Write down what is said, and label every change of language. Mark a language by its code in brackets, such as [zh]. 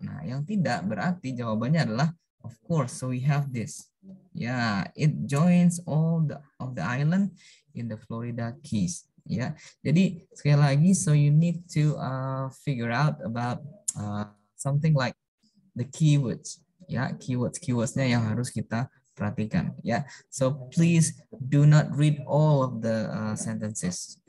[en] Nah, [id] yang tidak berarti jawabannya adalah [en] of course. So we have this. Yeah, it joins all the island. in the Florida Keys. Ya, [id] jadi sekali lagi, [en] so you need to figure out about something like the keywords. [id] Ya, keywordsnya yang harus kita perhatikan. [en] Ya, so please do not read all of the sentences.